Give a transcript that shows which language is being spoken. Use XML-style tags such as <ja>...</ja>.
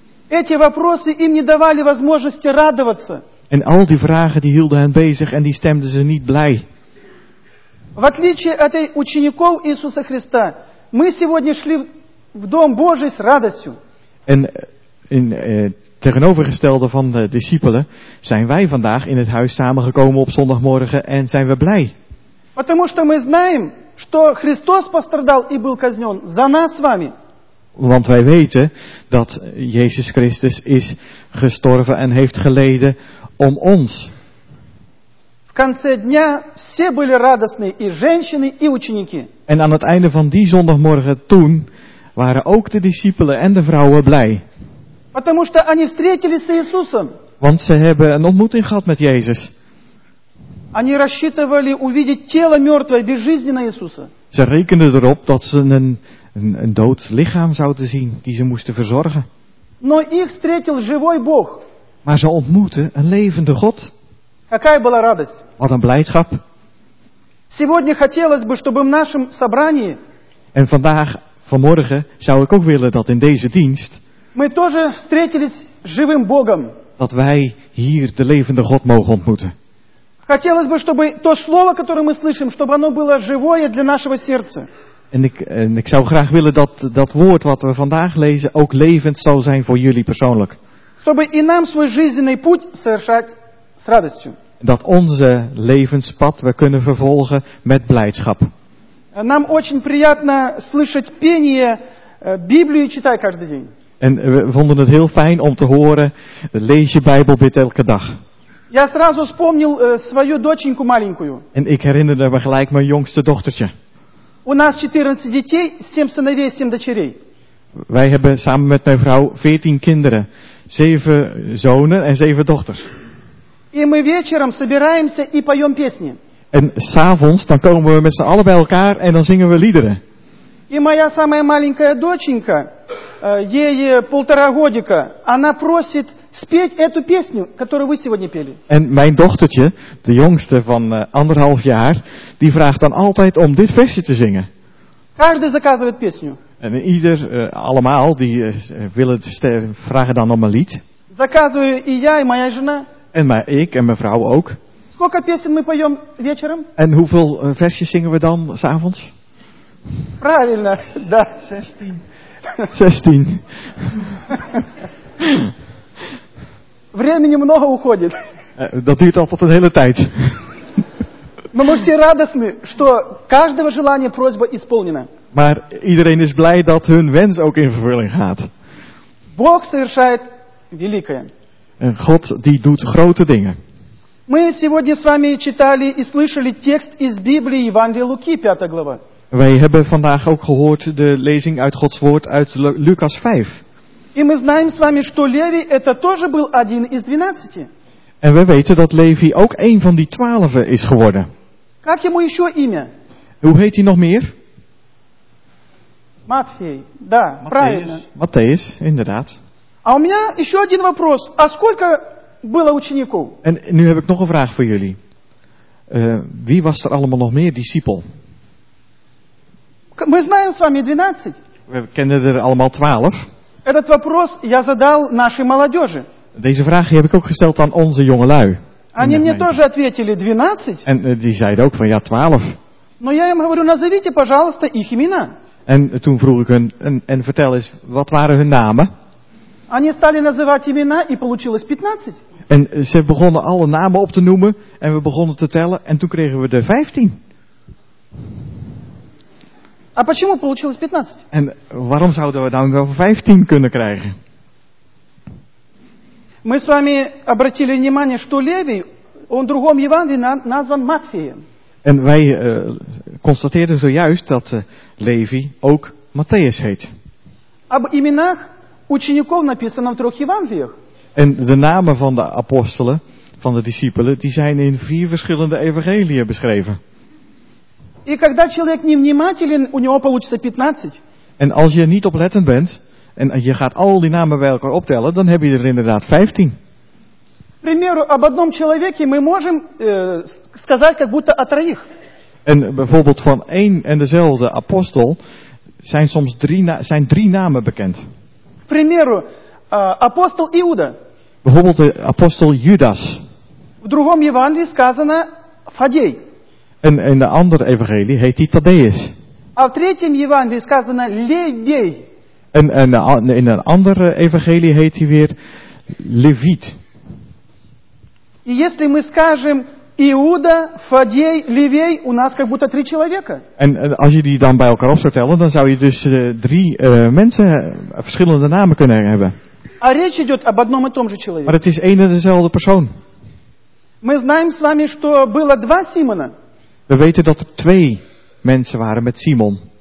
<ru>Эти вопросы им не давали возможности радоваться.</ru> <nl>En al die vragen die hielden hen bezig en die stemden ze niet blij.</nl> <ru>В отличие от учеников Иисуса Христа, мы сегодня шли в дом Божий с радостью.</ru> <nl>En tegenovergestelde van de discipelen zijn wij vandaag in het huis samengekomen op zondagmorgen en zijn we blij.</nl> <ru>Потому что мы знаем, что Христос пострадал и был казнен за нас с вами.</ru> <nl>Want wij weten dat Jezus Christus is gestorven en heeft geleden om ons.</nl> <ru>В конце дня все были радостны, и женщины, и ученики.</ru> <nl>En aan het einde van die zondagmorgen toen waren ook de discipelen en de vrouwen blij.</nl> <ru>Потому что они встретились с Иисусом.</ru> <nl>Want ze hebben een ontmoeting gehad met Jezus.</nl> <ru>Они рассчитывали увидеть тело мертвое, безжизненное Иисуса.</ru> <nl>Ze rekenden erop dat ze een dood lichaam zouden zien die ze moesten verzorgen.</nl> <ru>Но их встретил живой Бог.</ru> <nl>Maar ze ontmoeten een levende God.</nl> <ru>Какая была радость.</ru> <nl>Wat een blijdschap.</nl> <ru>Сегодня хотелось бы, чтобы в нашем собрании...</ru> <nl>En vandaag, vanmorgen, zou ik ook willen dat in deze dienst...</nl> <ru>Мы тоже встретились с живым Богом.</ru> <nl>Dat wij hier de levende God mogen ontmoeten.</nl> <ru>Хотелось бы, чтобы то слово, которое мы слышим, чтобы оно было живое для нашего сердца.</ru> <nl>En ik zou graag willen dat dat woord wat we vandaag lezen ook levend zal zijn voor jullie persoonlijk.</nl> <ru>Чтобы и нам свой жизненный путь совершать с радостью.</ru> <nl>Dat onze levenspad we kunnen vervolgen met blijdschap.</nl> <ru>Нам очень приятно слышать пение, Библию читай каждый день.</ru> <nl>En we vonden het heel fijn om te horen, lees je Bijbel, bid elke dag.</nl> <ru>Я сразу вспомнил свою доченьку маленькую.</ru> <nl>En ik herinnerde me gelijk mijn jongste dochtertje.</nl> <ru>У нас 14 детей, 7 сыновей, 7 дочерей.</ru> <nl>Wij hebben samen met mijn vrouw 14 kinderen, 7 zonen en 7 dochters.</nl> <ru>И мы вечером собираемся и поем песни.</ru> <nl>En 's avonds dan komen we met z'n allen bij elkaar en dan zingen we liederen.</nl> <ru>И моя самая маленькая доченька, ей 1,5 годика, она просит... Спеть эту песню, которую вы сегодня пели.</ru> <nl>En mijn dochtertje, de jongste van 1,5 jaar, die vraagt dan altijd om dit versje te zingen.</nl> <ru>Каждый заказывает песню.</ru> <nl>En ieder, allemaal, die willen vragen dan om een lied.</nl> <ru>Заказываю и я, и моя жена.</ru> <nl>En maar ik en mijn vrouw ook.</nl> <ru>Сколько песен мы поем вечером?</ru> <nl>En hoeveel versjes zingen we dan 's avonds?</nl> <ru>Правильно, да. 16.</ru> <nl>16.</nl> <ru>Времени много уходит.</ru> <nl>Dat duurt altijd een hele tijd.</nl> <ru>Но мы все радостны, что каждого желания просьба исполнена.</ru> <nl>Maar iedereen is blij dat hun wens ook in vervulling gaat.</nl> <ru>Бог совершает великое.</ru> <nl>En God die doet grote dingen.</nl> <ru>Мы сегодня с вами читали и слышали текст из Библии Евангелия Луки, 5 глава.</ru> <nl>Wij hebben vandaag ook gehoord de lezing uit Gods woord uit Lucas 5.</nl> <ru>И мы знаем с вами, что Леви это тоже был один из 12.</ru> <nl>En we weten dat Levi ook een van die 12 is geworden.</nl> <ru>Как ему еще имя?</ru> <nl>Hoe heet hij nog meer?</nl> <ru>Матфей, да, Матфей. Правильно.</ru> <nl>Матфеус, inderdaad.</nl> <ru>А у меня еще один вопрос. А сколько было учеников?</ru> <nl>En nu heb ik nog een vraag voor jullie. Wie was er allemaal nog meer discipel?</nl> <ru>Мы знаем с вами 12.</ru> <nl>We kennen er allemaal 12.</nl> <ru>Этот вопрос я задал нашей молодежи.</ru> <nl>Deze vraag heb ik ook gesteld aan onze jongelui.</nl> <ru>Они мне тоже ответили 12.</ru> <nl>En die zeiden ook van ja, 12.</nl> <ru>Но я им говорю, назовите, пожалуйста, их имена.</ru> <nl>En toen vroeg ik hun, en vertel eens, wat waren hun namen?</nl> <ru>Stали называть имена, и получилось 15.</ru> <nl>En ze begonnen alle namen op te noemen, en we begonnen te tellen, en toen kregen we er 15.</nl> <ru>А почему получилось 15?</ru> <nl>En waarom zouden we dan wel 15 kunnen krijgen?</nl> <ru>Мы с вами обратили внимание, что Леви, он в другом Евангелии назван Матфеем.</ru> <nl>En wij constateerden zojuist dat Леви ook Матфеем heet.</nl> <ru>Об именах учеников написано в трех Евангелиях.</ru> <nl>En de namen van de apostelen, van de discipelen, die zijn in 4 verschillende evangeliën beschreven.</nl> <ru>И когда человек не внимателен, у него получится 15.</ru> <nl>En als je niet oplettend bent en je gaat al die namen bij elkaar optellen, dan heb je er inderdaad 15.</nl> <ru>К примеру, об одном человеке мы можем сказать как будто о троих.</ru> <nl>En bijvoorbeeld van één en dezelfde apostel zijn soms drie namen bekend.</nl> <ru>К примеру, апостол Иуда.</ru> <nl>Bijvoorbeeld de apostel Judas.</nl> <ru>В другом Евангелии сказано Фадей.</ru> <nl>En in de andere evangelie heet hij Thaddeus.</nl> <ru>А в третьем Евангелии сказано Левей.</ru> <nl>En in een andere evangelie heet hij weer Levit.</nl> <ru>И если мы скажем Иуда, Фадей, Левей, у нас как будто три человека.</ru> <nl>En als je die dan bij elkaar op zou tellen, dan zou je dus drie mensen verschillende namen kunnen hebben.</nl> <ru>А речь идет об одном и том же человеке.</ru> <nl>Maar het is één en dezelfde persoon.</nl> <ru>Мы знаем с вами, что было два Симона.</ru> <nl>We weten dat er twee mensen waren met Simon.</nl>